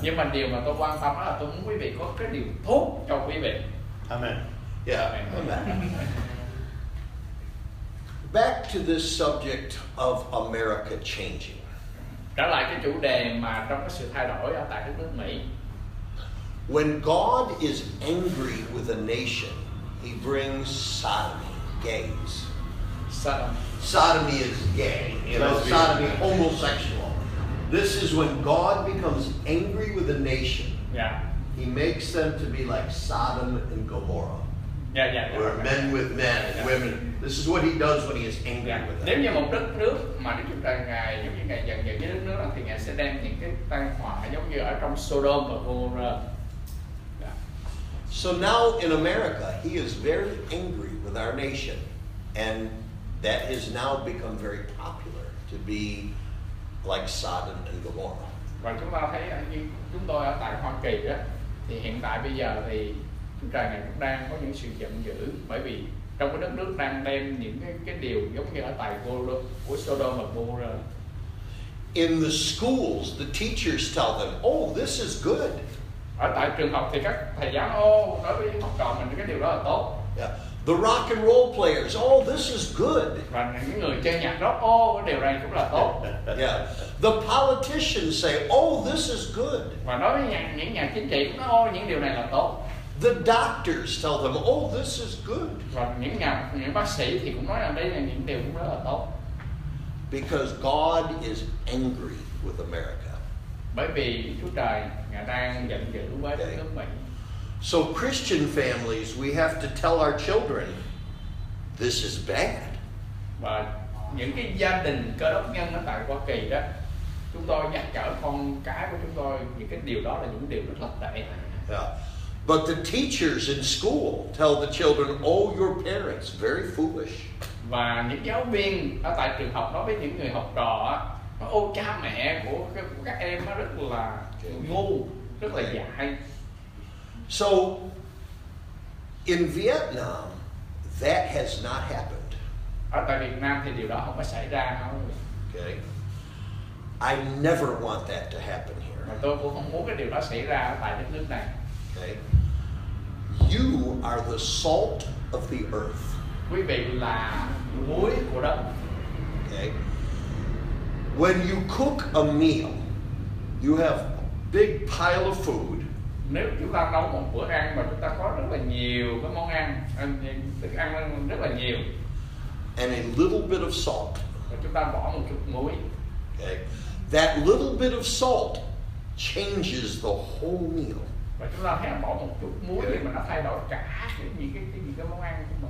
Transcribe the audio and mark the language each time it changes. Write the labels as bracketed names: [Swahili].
[Vietnamese] Nhưng mà điều mà tôi quan tâm đó là tôi muốn quý vị có cái điều tốt cho quý vị. [English] Amen. Yeah. Amen. Back to this subject of America changing. [Vietnamese] Trở lại cái chủ đề mà trong cái sự thay đổi ở tại nước Mỹ. [English] When God is angry with a nation, he brings sodomy, gays. Sodomy is gay, sodomy, homosexual. This is when God becomes angry with a nation. Yeah. He makes them to be like Sodom and Gomorrah. Yeah, yeah. Where yeah, men with men and women. This is what he does when he is angry with them. [Vietnamese] Nếu như một đất nước mà Đức Chúa Trời ngài giống như ngài giận dữ với đất nước đó, thì ngài sẽ đem những cái tai họa giống như ở trong Sodom và Gomorrah. [English] So now in America, he is very angry with our nation, and that has now become very popular to be like Sodom and Gomorrah. [Vietnamese] Và chúng ta thấy chúng tôi ở tại Hoa Kỳ đó, thì hiện tại bây giờ thì chúng ta cũng đang có những sự giận dữ bởi vì trong cái đất nước đang đem những cái điều giống như ở tại của Sodom và Gomorrah. [English] In the schools, the teachers tell them, "Oh, this is good." [Vietnamese] Ở tại trường học thì các thầy giáo nói với học trò mình cái điều đó là tốt. [English] Yeah. The rock and roll players, oh, this is good. [Vietnamese] Và những người chơi nhạc rock, cái điều này cũng là tốt. [English] Yeah. The politicians say, oh, this is good. [Vietnamese] Và nói với những nhà chính trị cũng những điều này là tốt. [English] The doctors tell them, oh, this is good. [Vietnamese] Và những bác sĩ thì cũng nói rằng đây là những điều cũng rất là tốt. [English] Because God is angry with America. [Vietnamese] Bởi vì Chúa Trời ngài đang giận dữ với đất nước Mỹ. [English] So Christian families, we have to tell our children, this is bad. [Vietnamese] Và những cái gia đình Cơ Đốc nhân ở tại Hoa Kỳ đó, chúng tôi nhắc nhở con cái của chúng tôi những cái điều đó là những điều rất là tệ. [English] Yeah. But the teachers in school tell the children, oh, your parents, very foolish. [Vietnamese] Và những giáo viên ở tại trường học nói với những người học trò á, ô cha mẹ của các em nó rất là ngu, rất là dại. [English] So in Vietnam, that has not happened. [Vietnamese] Ở tại Việt Nam thì điều đó không có xảy ra. [English] Okay. I never want that to happen here. [Vietnamese] Mà tôi cũng không muốn cái điều đó xảy ra ở tại đất nước này. [English] Okay. You are the salt of the earth. [Vietnamese] Quý vị là muối của đất. [English] Okay. When you cook a meal, you have a big pile of food. [Vietnamese] Nếu chúng ta nấu một bữa ăn mà chúng ta có rất là nhiều cái món ăn, thức ăn rất là nhiều. [English] And a little bit of salt. [Vietnamese] Và chúng ta bỏ một chút muối. [English] Okay. That little bit of salt changes the whole meal. [Vietnamese] Và chúng ta hãy bỏ một chút muối thì mà nó thay đổi cả những cái món ăn.